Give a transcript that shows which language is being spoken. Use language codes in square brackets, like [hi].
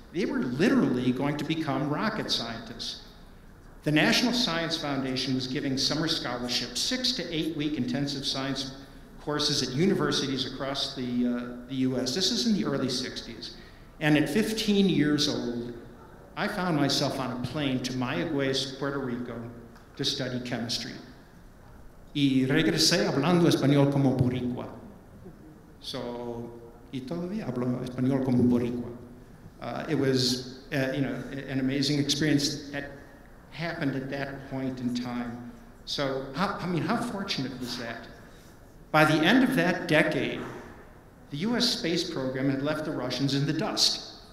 [en] They were literally going to become rocket scientists. The National Science Foundation was giving summer scholarships, 6 to 8 week intensive science courses at universities across the US. This is in the early 60s. And at 15 years old, I found myself on a plane to Mayagüez, Puerto Rico, to study chemistry. [es] Y regresé hablando español como boricua. So, y todavía hablo español como boricua. [en] It was an amazing experience that happened at that point in time. So, how fortunate was that? By the end of that decade, the US space program had left the Russians in the dust.